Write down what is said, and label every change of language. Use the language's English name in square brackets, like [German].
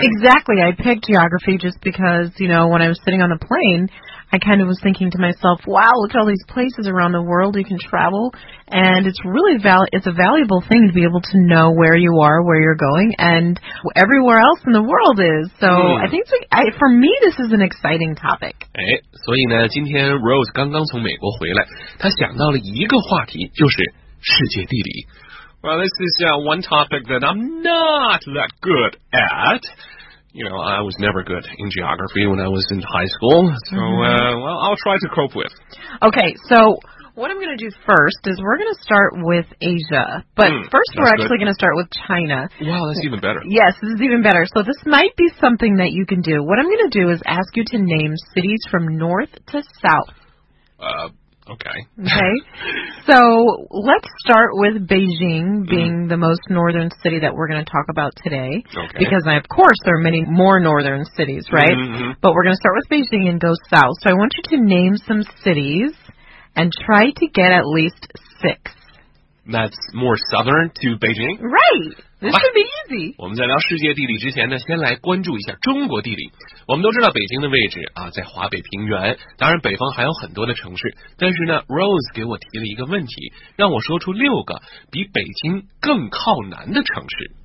[English] Exactly, I picked geography just because, you know, when I was sitting on the plane, I kind of was thinking to myself, wow, look at all these places around the world you can travel. And it's really it's a valuable thing to be able to know where you are, where you're going, and everywhere else in the world is. So I think for me, this is an exciting topic. [Chinese] 所以呢，今天 Rose 刚刚从美国回来，她想到了一个话题，就是世界地理。 [English] Well, this is one topic that I'm not that good at. You know, I was never good in geography when I was in high school, so, I'll try to cope with. Okay, so what I'm going to do first is we're going to start with Asia, but first we're actually going to start with China. Wow, that's even better. Yes, this is even better. So this might be something that you can do. What I'm going to do is ask you to name cities from north to south. Okay. So let's start with Beijing being the most northern city that we're going to talk about today. Okay. Because, of course, there are many more northern cities, right? Mm-hmm. But we're going to start with Beijing and go south. So I want you to name some cities and try to get at least six. That's more southern to Beijing? Right. This should be easy. [Chinese] 我们在聊世界地理之前呢，先来关注一下中国地理。我们都知道北京的位置啊，在华北平原，当然北方还有很多的城市，但是呢 Rose 给我提了一个问题，让我说出六个比北京更靠南的城市。